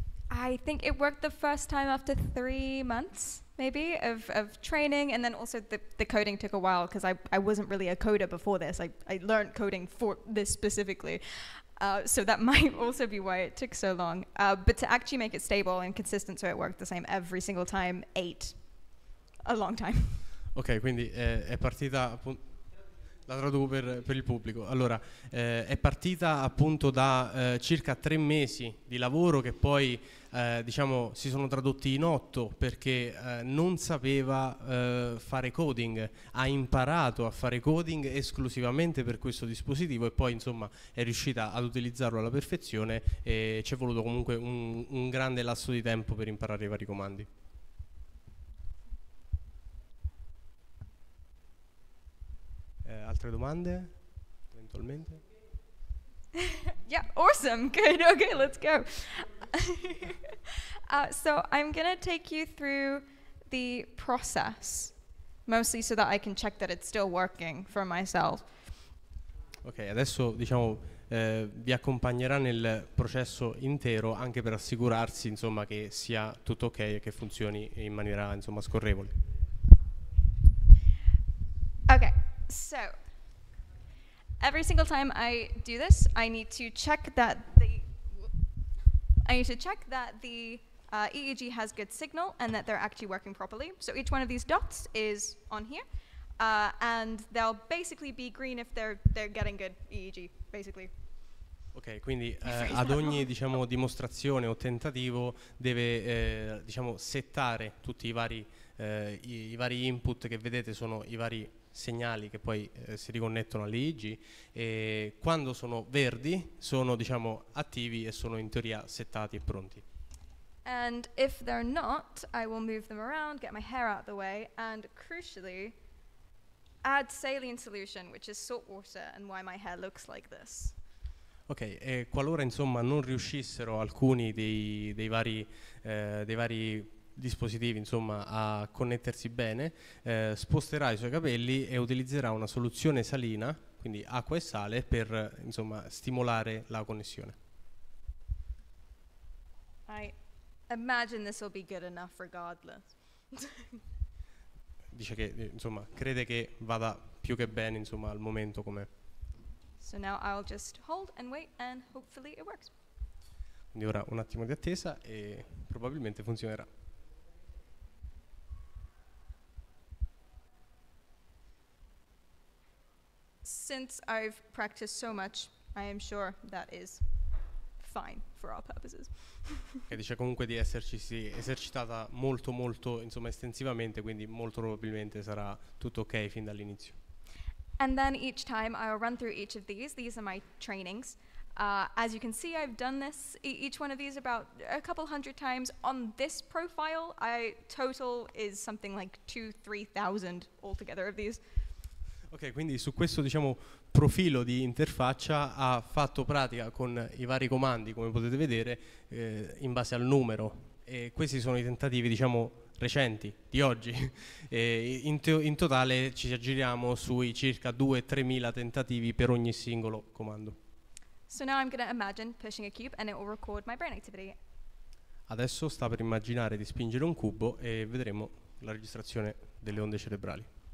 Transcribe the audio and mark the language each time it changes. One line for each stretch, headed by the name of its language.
English: I think it worked the first time after 3 months maybe of training, and then also the coding took a while because I wasn't really a coder before this. I learned coding for this specifically. So that might also be why it took so long. But to actually make it stable and consistent so it worked the same every single time, 8. A long time.
Italian: Ok, quindi è partita appunto... La traduco per il pubblico. Allora, è partita appunto da circa 3 mesi di lavoro che poi diciamo si sono tradotti in 8 perché non sapeva fare coding, ha imparato a fare coding esclusivamente per questo dispositivo e poi insomma è riuscita ad utilizzarlo alla perfezione e ci è voluto comunque un grande lasso di tempo per imparare i vari comandi. Altre domande? Eventualmente?
English: Yeah, awesome, good, okay, let's go. So I'm gonna take you through the process, mostly so that I can check that it's still working for myself.
Italian: Ok, adesso diciamo vi accompagnerà nel processo intero anche per assicurarsi insomma che sia tutto ok e che funzioni in maniera insomma scorrevole.
English: Ok, so every single time I do this, I need to check that the EEG has good signal and that they're actually working properly. So each one of these dots is on here, and they'll basically be green if they're getting good EEG, basically.
Italian: Ok, quindi ad ogni diciamo dimostrazione o tentativo deve diciamo settare tutti i vari input che vedete sono i vari segnali che poi si riconnettono all'EEG e quando sono verdi sono diciamo attivi e sono in teoria settati e pronti.
English: And if they're not, I will move them around, get my hair out of the way, and crucially add saline solution, which is salt water, and why my hair looks like this.
Italian: Ok, e qualora insomma non riuscissero alcuni dei vari dispositivi insomma a connettersi bene, sposterà i suoi capelli e utilizzerà una soluzione salina, quindi acqua e sale, per insomma stimolare la connessione.
English: I imagine this will be good enough regardless.
Italian: Dice che insomma crede che vada più che bene insomma al momento com'è.
English: So now I'll just hold and wait and hopefully it works.
Italian: Quindi ora un attimo di attesa e probabilmente funzionerà.
English: Since I've practiced so much, I am sure that is fine for our purposes.
Italian: Che dice comunque di esserci esercitata molto molto insomma estensivamente, quindi molto probabilmente sarà tutto ok fin dall'inizio.
English: And then each time I'll run through each of these. These are my trainings. As you can see, I've done this each one of these about a couple hundred times. On this profile, total is something like 2,000-3,000 altogether of these.
Italian: Ok, quindi su questo diciamo profilo di interfaccia ha fatto pratica con i vari comandi, come potete vedere, in base al numero. E questi sono i tentativi diciamo recenti, di oggi. E in totale ci aggiriamo sui circa 2-3 mila tentativi per ogni singolo comando.
English: So now I'm gonna imagine pushing a cube and it will record my brain activity.
Italian: Adesso sta per immaginare di spingere un cubo e vedremo la registrazione delle onde cerebrali.